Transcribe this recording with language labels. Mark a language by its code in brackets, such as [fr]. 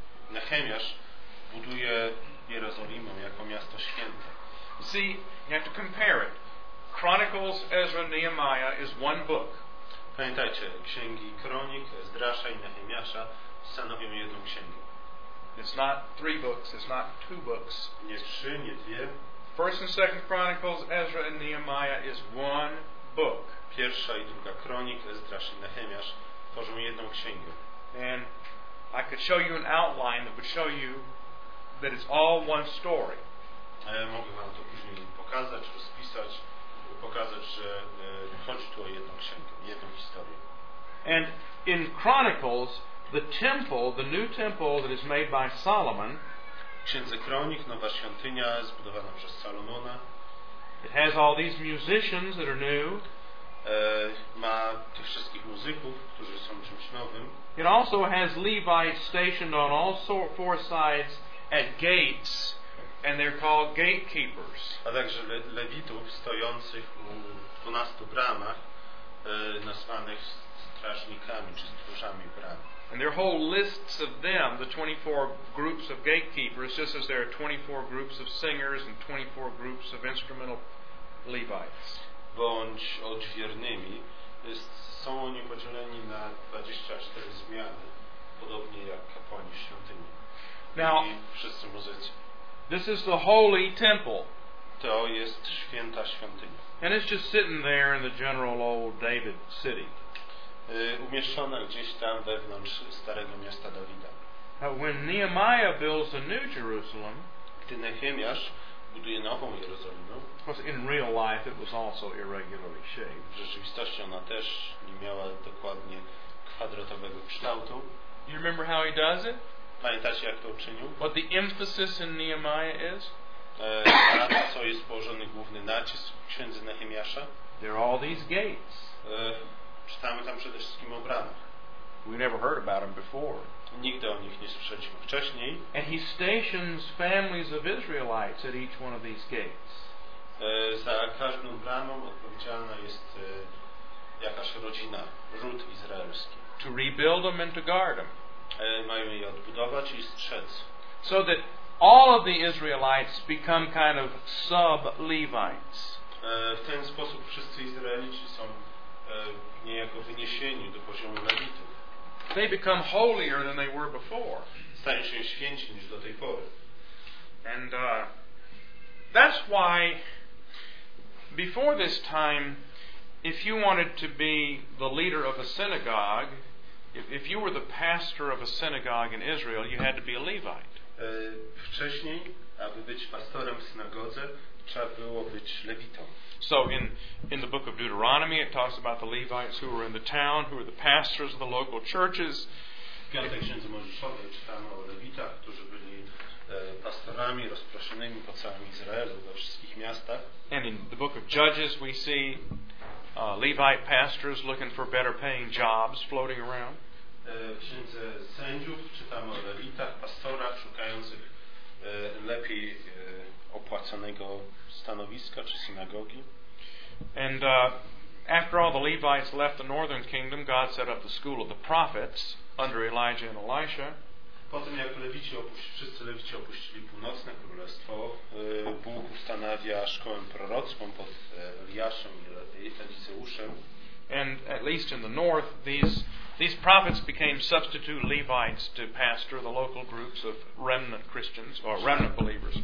[pl] Nehemiasz buduje Jerozolimę jako miasto święte. [en] See, you have to compare it. Chronicles, Ezra, Nehemiah is one book. [pl] Pamiętajcie, księgi Kronik, Ezdrasza i Nehemiasza stanowią jedną księgę. [en] It's not three books, it's not two books. [pl] Nie trzy, nie dwie. [en] First and Second Chronicles, Ezra and Nehemiah is one book. [pl] Pierwsza i druga Kronik, Ezdrasz i Nehemiasz tworzą jedną księgę. [en] And I could show you an outline that would show you that it's all one story. [pl] Mogę wam to później pokazać, rozpisać, pokazać, że chodzi tu o jedną księgę, jedną historię. [en] And in Chronicles, the temple, the new temple that is made by Solomon, [pl] w Księdze Kronik, nowa świątynia zbudowana przez Salomona. [en] It has all these musicians that are new. [pl] Ma tych wszystkich muzyków, którzy są czymś nowym. [en] It also has Levites stationed on all four sides at gates, and they're called gatekeepers. [pl] A także lewitów stojących u 12 bramach, nazwanych strażnikami czy stróżami bram. [en] And there are whole lists of them, the 24 groups of gatekeepers, just as there are 24 groups of singers and 24 groups of instrumental Levites. [pl] Bądź odźwiernymi, są oni podzieleni na 24 zmiany, podobnie jak kapłani w świątyni. [en] Now, [pl] wszyscy muzycy. [en] This is the holy temple. [pl] To jest święta świątynia. [en] And it's just sitting there in the general old David city. [pl] Umieszczone gdzieś tam wewnątrz starego miasta Dawida. [en] When Nehemiah builds a new Jerusalem, [pl] gdy Nehemiasz buduje nową Jerozolimę, [en] in real life it was also irregularly shaped. [pl] W rzeczywistości ona też nie miała dokładnie kwadratowego kształtu. [en] You remember how he does it? [pl] Pamiętacie, jak to uczynił? [en] What the emphasis in Nehemiah is? [pl] Co jest położony główny nacisk w księdze Nehemiasza? [en] There are all these gates. [pl] Czytamy tam przede wszystkim o bramach. [en] We never heard about them before. [pl] Nigdy o nich nie słyszeliśmy wcześniej. [en] And he stations families of Israelites at each one of these gates. [pl] Za każdą bramą odpowiedzialna jest jakaś rodzina, ród izraelski. [en] To rebuild them and to guard them. [pl] Mają je odbudować i strzec. [en] So that all of the Israelites become kind of sub-Levites. [pl] W ten sposób wszyscy Izraelici są niejako wyniesieni do poziomu lewitów. [en] They become holier than they were before. [pl] Stają się święci niż do tej pory. [en] And that's why before this time, if you wanted to be the leader of a synagogue, if you were the pastor of a synagogue in Israel, you had to be a Levite. [pl] Wcześniej, aby być pastorem w synagodze, trzeba było być lewitą. [en] So in the book of Deuteronomy it talks about the Levites who were in the town, who were the pastors of the local churches. [pl] W piątej księdze Mojżeszowej czytamy o lewitach, którzy byli pastorami rozproszonymi po całym Izraelu, we wszystkich miastach. [en] And in the book of Judges we see Levite pastors looking for better paying jobs floating around. [pl] W księdze Sędziów czytamy o lewitach, pastorach szukających lepiej opłaconego stanowiska czy synagogi. [en] And after all the Levites left the northern kingdom, God set up the school of the prophets under Elijah and Elisha. [pl] Potem jak wszyscy lewici opuścili północne królestwo, Bóg ustanawia szkołę prorocką pod Eliaszem i Eliseuszem. [en] And at least in the north, these prophets became substitute Levites to pastor the local groups of remnant Christians or remnant believers.